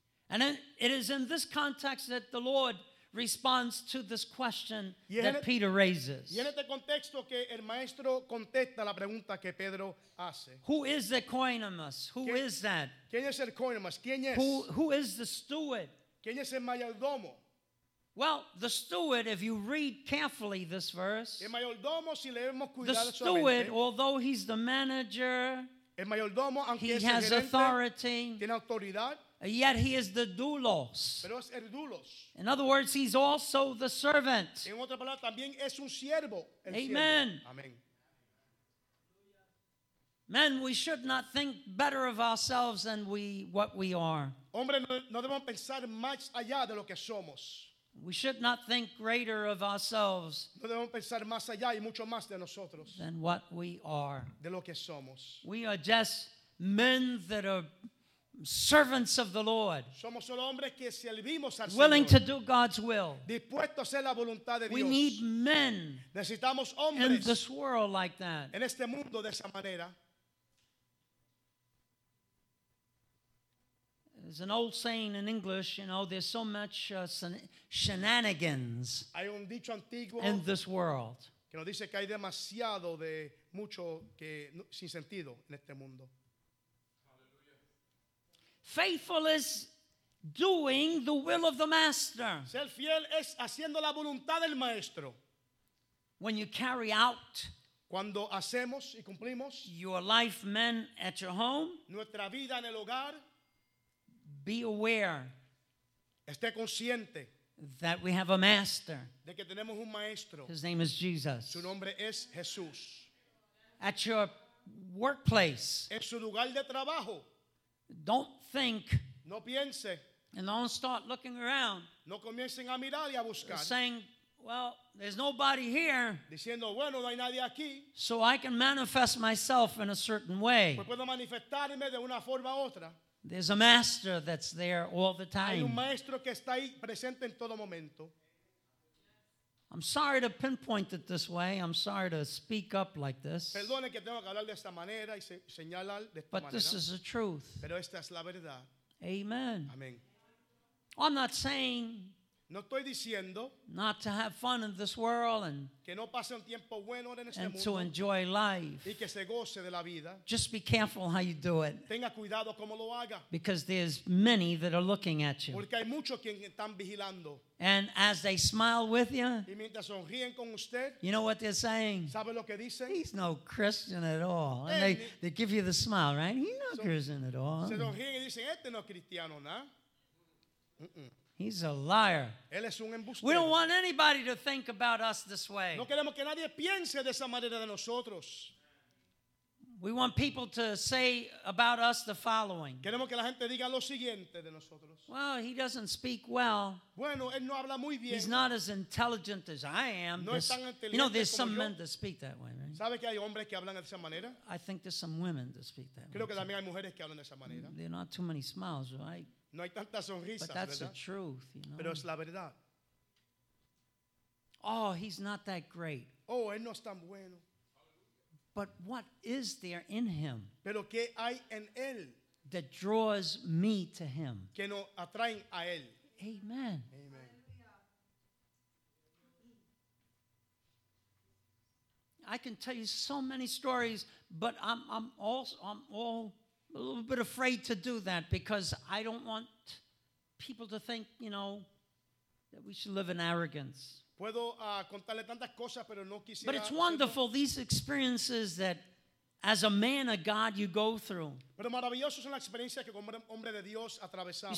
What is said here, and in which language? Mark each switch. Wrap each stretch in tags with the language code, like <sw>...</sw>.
<en>And it is in this context that the Lord responds to this question that Peter raises.</en> <es>Y en este contexto que el maestro contesta la pregunta que Pedro hace.</es> <en>Who is the koinomos? Who is that?</en> <es>¿Quién es el koinomos? ¿Quién es?</es> <en>Who is the steward?</en> <es>¿Quién es el mayordomo?</es> <en>Well, the steward, if you read carefully this verse,</en> <es>el mayordomo, si leemos cuidado,</es> <en>the steward, although he's the manager,</en> <es>el mayordomo, aunque</es> <en>he</en> <es>es</es> <en>has</en> <es>el gerente,</es> <en>authority,</en> <es>tiene autoridad,</es> <en>yet he is the doulos.</en> <es>Pero es el doulos.</es> <en>In other words, he's also the servant.</en> <es>En otra palabra, también es un siervo, el</es> <en>Amen.</en> <es>Siervo. Amen.</es> <en>Men, we should not think better of ourselves than what we are.</en> <es>Hombre, no debemos pensar más allá de lo que somos.</es> <en>We should not think greater of ourselves.</en> <es>No debemos pensar más allá y mucho más de nosotros.</es> <en>Than what we are.</en> <es>De lo que somos.</es> <en>We are just men that are servants of the Lord.</en> <es>Somos solo hombres que servimos al Señor.</es> <en>Willing to do God's will.</en> <es>Dispuestos a hacer la voluntad de Dios.</es> <en>We need men.</en> <es>Necesitamos hombres.</es> <en>In this world like that.</en> <es>En este mundo de esa manera.</es> <en>There's an old saying in English, you know, there's so much shenanigans</en> <es>hay un dicho antiguo</es> <en>in this world.</en> <es>Que nos dice que hay demasiado de mucho que, sin sentido en este mundo.</es> <en>Faithful is doing the will of the master.</en> <es>Ser fiel es haciendo la voluntad del maestro.</es> <en>When you carry out</en> <es>cuando hacemos y cumplimos</es> <en>your life, men, at your home,</en> <es>nuestra vida en el hogar,</es> <en>be aware</en> <es>esté consciente</es> <en>that we have a master.</en> <es>De que tenemos un maestro.</es> <en>His name is Jesus.</en> <es>Su nombre es Jesús.</es> <en>At your workplace,</en> <es>en su lugar de trabajo,</es> <en>don't think</en> <es>no piense,</es> <en>and don't start looking around</en> <es>no comiencen a mirar y a buscar,</es> <en>saying, well, there's nobody here,</en> <es>diciendo, bueno, no hay nadie aquí,</es> <en>so I can manifest myself in a certain way.</en> <es>Pues puedo manifestarme de una forma u otra.</es> <en>There's a master that's there all the time.</en> <es>Hay un maestro que está ahí presente en todo momento.</es> <en>I'm sorry to pinpoint it this way. I'm sorry to speak up like this.</en> <es>Perdone que tengo que hablar de esta manera y señalar de esta</es> <en>but</en> <es>manera.</es> <en>This is the truth.</en> <es>Pero esta es la verdad.</es> <en>Amen.</en> <es>Amen.</es> <en>I'm not saying</en> <es>no estoy diciendo</es> <en>not to have fun in this world and,</en> <es>que no pase un tiempo bueno en este</es> <en>and</en> <es>mundo</es> <en>to enjoy life.</en> <es>Y que se goce de la vida.</es> <en>Just be careful how you do it.</en> <es>Tenga cuidado como lo haga.</es> <en>Because there's many that are looking at you.</en> <es>Porque hay muchos que están vigilando.</es> <en>And as they smile with you,</en> <es>y mientras sonríen con usted,</es> <en>you know what they're saying?</en> <es>¿Sabe lo que dicen?</es> <en>He's no Christian at all. And they give you the smile, right? He's not Christian at all.</en> <es>Se sonríen y dicen, este no es cristiano, ¿no?</es> <en>Mm-mm. He's a liar.</en> <es>Él es un embustero.</es> <en>We don't want anybody to think about us this way.</en> <es>No queremos que nadie piense de esa manera de nosotros.</es> <en>We want people to say about us the following.</en> <es>Queremos que la gente diga lo siguiente de nosotros.</es> <en>Well, he doesn't speak well.</en> <es>Bueno, él no habla muy bien.</es> <en>He's not as intelligent as I am.</en> <es>No es tan inteligente.</es> <en>You know, there's some</en> <es>yo.</es> <en>Men that speak that way, right?</en> <es>¿Sabe que hay hombres que hablan de esa manera?</es> <en>I think there's some women that speak that</en> <es>creo</es> <en>way.</en> <es>Que también hay mujeres que hablan de esa manera.</es> <en>There are not too many smiles, right?</en> <es>No hay tanta sonrisa,</es> <en>but that's</en> <es>¿verdad?</es> <en>The truth, you know.</en> <es>Pero es la verdad.</es> <en>Oh, he's not that great.</en> <es>Oh, él no es tan bueno.</es> <en>But what is there in him?</en> <es>Pero qué hay en él?</es> <en>That draws me to him.</en> <es>Que nos atraen a él.</es> <en>Amen.</en> <es>Amen.</es> <en>I can tell you so many stories, but I'm all. A little bit afraid to do that because I don't want people to think, you know, that we should live in arrogance.</en> <es>Puedo contarle tantas cosas, pero no quisiera.</es> <en>But it's wonderful, these experiences that as a man of God you go through.</en> <es>Pero maravilloso son las experiencias que como hombre de Dios atravesamos.</es>